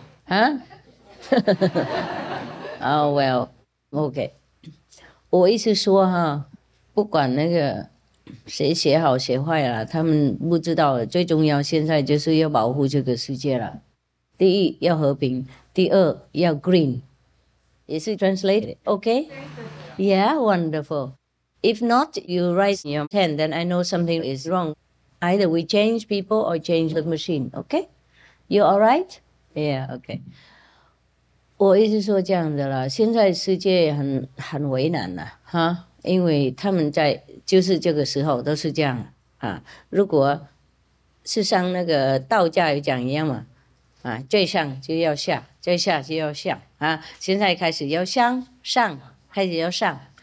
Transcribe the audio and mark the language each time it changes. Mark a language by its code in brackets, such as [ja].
[en] Yeah. Huh? Oh, well, okay. [zh] 我意思说, 不管那个谁写好写坏了,他们不知道,最重要现在就是要保护这个世界了。第一,要和平,第二,要green. [en] Is it translated? Okay? Yeah, wonderful. If not, you write your pen, then I know something is wrong. Either we change people or change the machine, okay? You all right? Yeah, okay. [zh] 我一直说这样的了,现在世界很为难了,因为他们在就是这个时候都是这样,如果是像那个道家一讲一样嘛,最上就要下,最下就要下,现在开始要上,上开始要上。